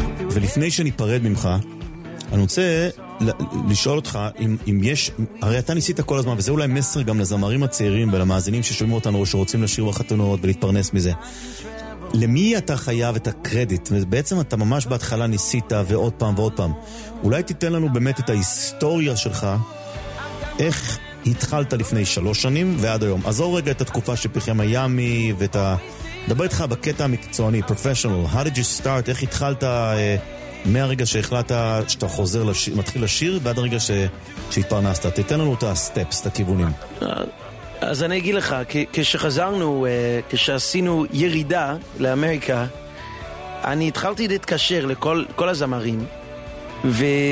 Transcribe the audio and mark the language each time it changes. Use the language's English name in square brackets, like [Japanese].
[Hebrew] ולפני שניפרד ממך, אני רוצה לשאול אותך אם יש, הרי אתה ניסית כל הזמן, וזה אולי מסר גם לזמרים הצעירים ולמאזינים ששומעים אותנו שרוצים לשיר בחתונות ולהתפרנס מזה, למי אתה חייב את הקרדיט? בעצם אתה ממש בהתחלה ניסית ועוד פעם ועוד פעם, אולי תיתן לנו באמת את ההיסטוריה שלך, איך התחלת לפני 3 שנים ועד היום. עזור רגע את התקופה שפיכם מיאמי ואת ה... דבר איתך בקטע המקצועני, [English] professional, how did you start? [Hebrew] איך התחלת מהרגע שהחלטת שאתה חוזר, מתחיל לשיר, ועד הרגע שהתפרנסת? תיתן לנו את הסטפס, את הכיוונים. אז אני אגיד לך, כשחזרנו, כשעשינו ירידה לאמריקה, אני התחלתי להתקשר לכל הזמרים, ו...